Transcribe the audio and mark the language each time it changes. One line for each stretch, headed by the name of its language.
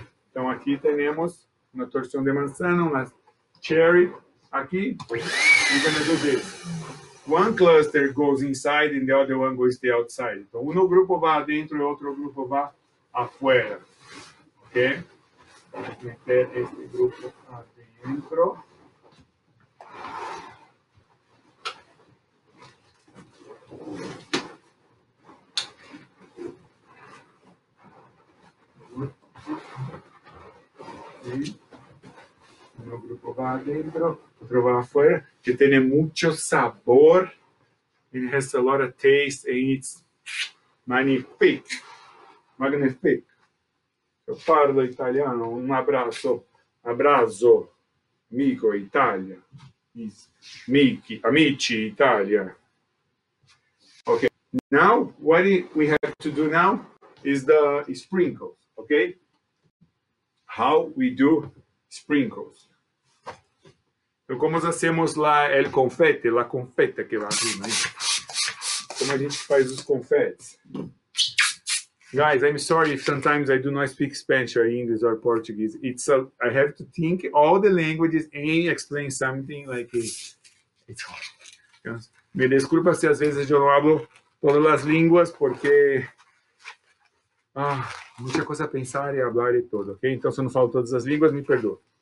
Portuguese: Então aqui temos uma torção de manzana, uma cherry.
English: Aqui, we're gonna do this. One cluster goes inside and the other one goes the outside.
Portuguese: Então, um grupo vai dentro e outro grupo vai afuera.
Spanish: Ok? Vamos meter este grupo adentro. Un grupo va adentro, otro va afuera, que tiene mucho sabor.
English: It has a lot of taste and it's magnifique.
Italian: Magnifique. Yo parlo italiano,
Spanish: un abrazo. Abrazo, amigo,
Italian: Italia. Miki, amici, Italia.
English: Okay, now what we have to do now is the sprinkles, okay? How we do sprinkles.
Portuguese: Então, como fazemos lá o confete, a confeta que vai abrir, né? Como a gente faz os confetes.
English: Guys, I'm sorry if sometimes I do not speak Spanish or English or Portuguese. It's I have to think all the languages and explain something like it's hard.
Portuguese: Me desculpa se às vezes eu não hablo todas as línguas, porque muita coisa a pensar e hablar e tudo, ok? Então, se eu não falo todas as línguas, me perdoa.